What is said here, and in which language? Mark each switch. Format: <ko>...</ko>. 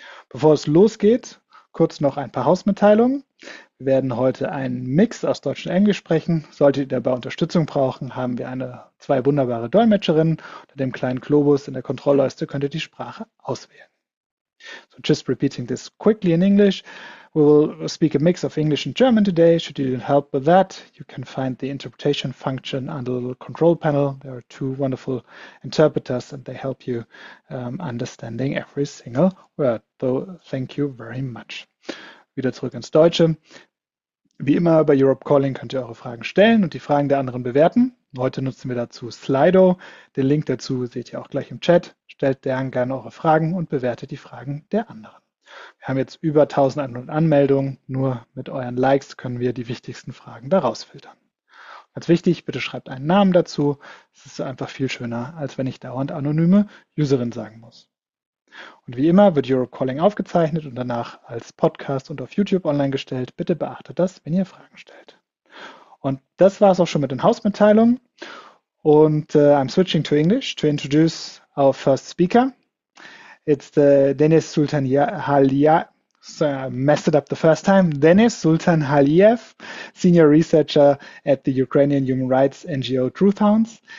<de>Bevor es losgeht, kurz noch ein paar Hausmitteilungen. Wir werden heute einen Mix aus Deutsch und Englisch sprechen. Solltet ihr dabei Unterstützung brauchen, haben wir zwei wunderbare Dolmetscherinnen. Unter dem kleinen Globus in der Kontrollleiste könnt ihr die Sprache auswählen.</de> <en>So, just repeating this quickly in English. We will speak a mix of English and German today. Should you need help with that, you can find the interpretation function under the little control panel. There are two wonderful interpreters and they help you understanding every single word. So, thank you very much.</en> <de>Wieder zurück ins Deutsche. Wie immer bei Europe Calling könnt ihr eure Fragen stellen und die Fragen der anderen bewerten. Heute nutzen wir dazu Slido. Den Link dazu seht ihr auch gleich im Chat. Stellt dann gerne eure Fragen und bewertet die Fragen der anderen. Wir haben jetzt über 1100 Anmeldungen. Nur mit euren Likes können wir die wichtigsten Fragen daraus filtern. Ganz wichtig, bitte schreibt einen Namen dazu. Es ist einfach viel schöner, als wenn ich dauernd anonyme Userin sagen muss. Und wie immer wird Europe Calling aufgezeichnet und danach als Podcast und auf YouTube online gestellt. Bitte beachtet das, wenn ihr Fragen stellt. Und das war es auch schon mit den Hausmitteilungen. Und</de> <en>I'm switching to English to introduce our first speaker. It's Denis Sultanahalia. So I messed it up the first time. Denis Sultanahalia, senior researcher at the Ukrainian human rights NGO Truthhounds.</en>